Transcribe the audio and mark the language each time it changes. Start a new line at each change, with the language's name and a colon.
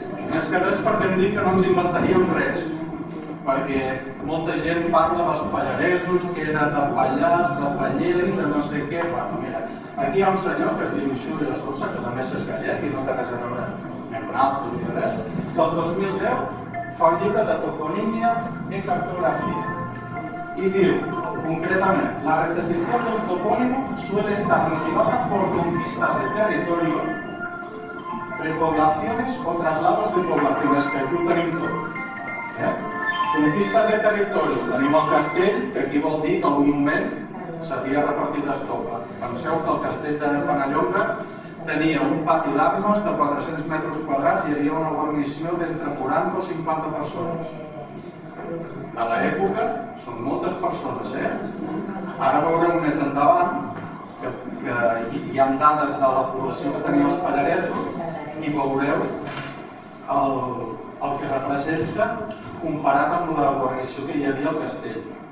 Catalan: Més que res perquè hem dit que no ens inventaríem res, perquè molta gent parla dels pallaresos, que eren de Pallars, de Pallers, de no sé què. Bueno, mira, aquí hi ha un senyor que es diu Xulio Sosa, que també és gallec i no té res a veure amb naltos ni res, que el 2010 fa un llibre de toponímia i cartografia.
Spanish: Y digo, concretamente, la repetición del topónimo suele estar motivada por conquistas de territorio, repoblaciones o traslados de poblaciones, que aquí lo tenemos todo. ¿Eh? Conquistas de territorio, tenemos el castell, que aquí
Catalan: vol dir que
Spanish: en algún momento
Catalan: s'havia repartit estopa. Penseu que el castell de Penallonga tenia un pati d'armes de 400 metres quadrats i hi havia una guarnició d'entre 40 o 50 persones. A l'època són moltes persones, eh? Ara veurem més endavant que hi ha dades de la població que tenia els pallaresos i veureu el que representa comparat amb la guarnició que hi havia al castell.